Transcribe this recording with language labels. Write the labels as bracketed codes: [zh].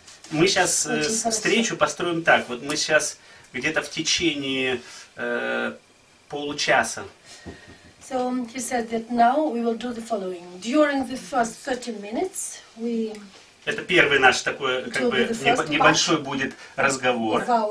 [ru] Мы сейчас встречу построим так. Вот мы сейчас где-то в течение получаса. [en] So he said that now we will do the following. During the first 30 minutes, we... [ru] Это первый наш такой, как бы, небольшой будет разговор.